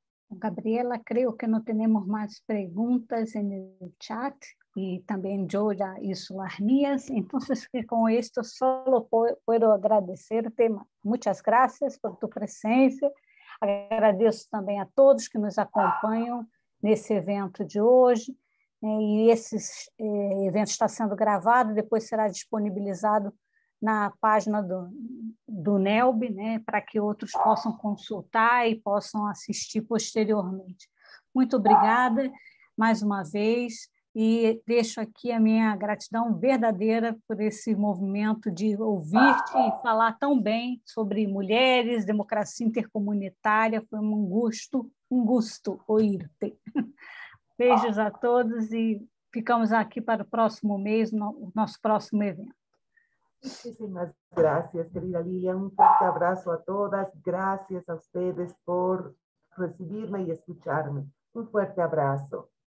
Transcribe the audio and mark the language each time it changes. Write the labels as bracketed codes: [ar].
[es] Gabriela, creo que no tenemos más preguntas en el chat. Y también yo ya hice las mías. Entonces, con esto solo puedo agradecerte. Muchas gracias por tu presencia. [pt] Agradeço também a todos que nos acompanham nesse evento de hoje. E esse evento está sendo gravado, depois será disponibilizado na página do NELB, né, para que outros possam consultar e possam assistir posteriormente. Muito obrigada mais uma vez e deixo aqui a minha gratidão verdadeira por esse movimento de ouvir-te e falar tão bem sobre mulheres, democracia intercomunitária. Foi um gosto ouvir-te. Beijos a todos e ficamos aqui para o próximo mês, no nosso próximo evento. [es] Muchísimas gracias, querida Lilia. [pt] Um forte abraço a todas. [es] Gracias a ustedes por recibirme e escucharme. [pt] Um forte abraço.